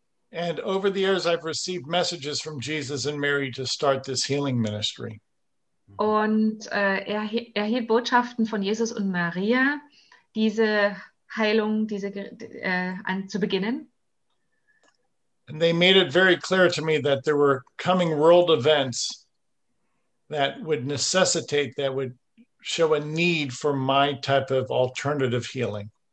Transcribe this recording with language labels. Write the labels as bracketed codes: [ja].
[en] And over the years, I've received messages from Jesus and Mary to start this healing ministry. [de] Und erhielt Botschaften von Jesus und Maria, diese Heilung, zu beginnen. [en] And they made it very clear to me that there were coming world events that would necessitate, that would show a need for my type of alternative healing.